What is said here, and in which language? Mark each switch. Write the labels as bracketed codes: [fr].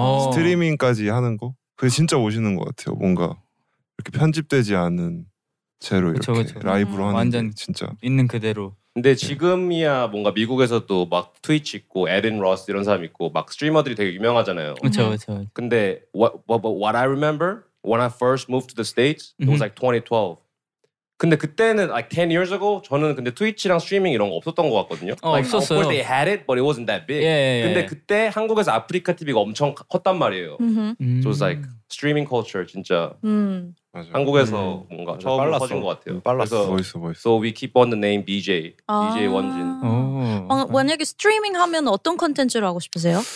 [ko] 스트리밍까지 하는 거 그게 진짜 멋있는 것 같아요. 뭔가 이렇게 편집되지 않은 채로 이렇게 그쵸. 라이브로 하는 완전 게 진짜 있는 그대로. 근데 지금이야 뭔가 미국에서도 막 트위치 있고 에빈 로스 이런 사람 있고 막 스트리머들이 되게 유명하잖아요. 그렇죠. 근데 [en] what I remember when I first moved to the States it was like 2012. [ko] 근데 그때는 [en] like 10 years ago [ko] 저는 근데 트위치랑 스트리밍 이런 거 없었던 것 같거든요. 어, like, 없었어요. [en] Of course they had it but it wasn't that big. [ko] 근데 그때 한국에서 아프리카 TV가 엄청 컸단 말이에요. [en] So it was like streaming culture [ko] 진짜. 맞아요. 한국에서 뭔가 처음 빨랐어. 것 같아요. 빨랐어. 그래서 멋있어. [en] So we keep on the name BJ. 아~ [ko] BJ 원진. 어, 만약에 스트리밍 하면 어떤 콘텐츠를 하고 싶으세요?